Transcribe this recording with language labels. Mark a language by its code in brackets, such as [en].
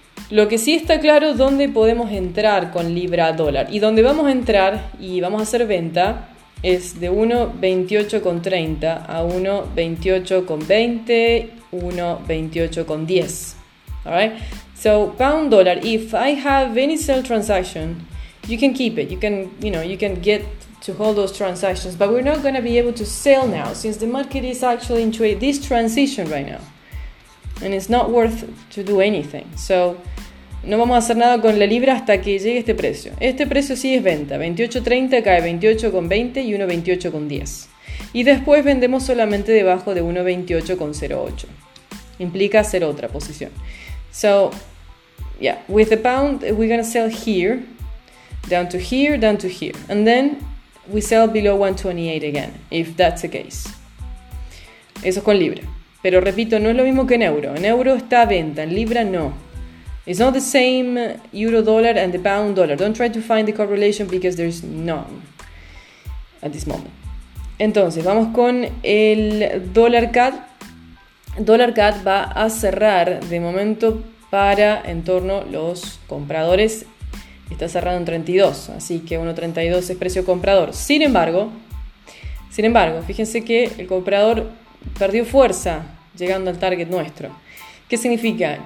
[es] Lo que sí está claro es dónde podemos entrar con libra dólar. Y dónde vamos a entrar y vamos a hacer venta es de 1.2830 a 1.2820, 1.2810. [en] Alright? So pound dollar, if I have any sell transaction, you can keep it, you can get to hold those transactions, but we're not going to be able to sell now since the market is actually into this transition right now. And it's not worth to do anything. [es] So, no vamos a hacer nada con la libra hasta que llegue este precio. Este precio sí es venta, 28.30 cae 28.20 y 1.28.10. Y después vendemos solamente debajo de 1.28.08. Implica hacer otra posición. [en] So, yeah, with the pound, we're going to sell here. Down to here, and then we sell below 1.28 again, if that's the case. [es] Eso es con libra. Pero repito, no es lo mismo que en euro. [en] En euro está venta, en libra no. It's not the same euro dollar and the pound dollar. Don't try to find the correlation because there's none at this moment. [es] Entonces, vamos con el dólar CAD. Dólar CAD va a cerrar de momento para en torno los compradores. Está cerrado en 32, así que 1.32 es precio comprador. Sin embargo, fíjense que el comprador perdió fuerza llegando al target nuestro. ¿Qué significa?